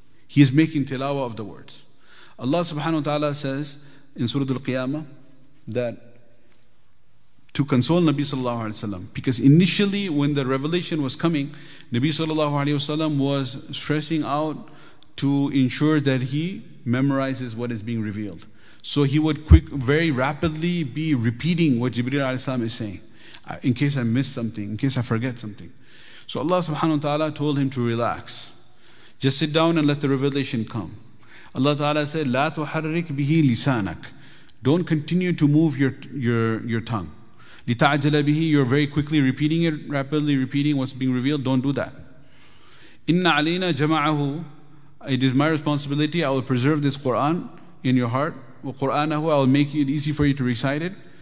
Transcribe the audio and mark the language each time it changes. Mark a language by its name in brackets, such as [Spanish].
[English] He is making tilawah of the words. Allah subhanahu wa ta'ala says in Surah Al-Qiyamah that to console Nabi sallallahu alayhi wasallam, because initially when the revelation was coming, Nabi sallallahu alayhi wasallam was stressing out to ensure that he memorizes what is being revealed. So he would very rapidly be repeating what Jibreel alayhi salam is saying, in case I miss something, in case I forget something. So Allah subhanahu wa ta'ala told him to relax. Just sit down and let the revelation come. [Arabic] Allah ta'ala said, لا تحرك به لسانك. [English] Don't continue to move your tongue. [Arabic] لتعجل به, [English] you're very quickly repeating it, rapidly repeating what's being revealed. Don't do that. [Arabic] إِنَّ عَلَيْنَا جَمَعَهُ. [English] It is my responsibility, I will preserve this Quran in your heart. [Arabic] وَقُرْآنَهُ, [English] I will make it easy for you to recite it.